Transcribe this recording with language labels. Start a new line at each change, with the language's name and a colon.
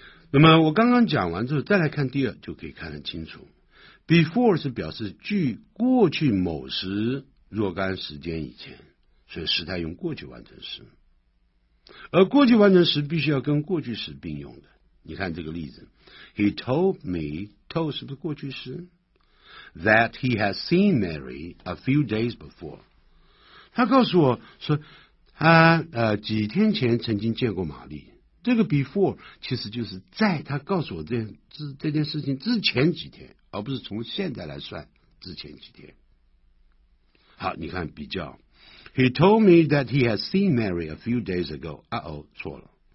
Chinese: 那么我刚刚讲完之后再来看第二就可以看得清楚。 Before 是表示距过去某时若干时间以前，所以时态用过去完成时。而过去完成时必须要跟过去时并用的。你看这个例子 ,
English: He told me,
Chinese: told 是不是过去时？
English: That he has seen Mary a few days before.
Chinese: 他告诉我说他几天前曾经见过玛丽。这个 before 其实就是在他告诉我 这件事情之前几天，而不是从现在来算之前几天。好，你看比较。
English: He told me that he has seen Mary a few days ago.
Chinese: 错了。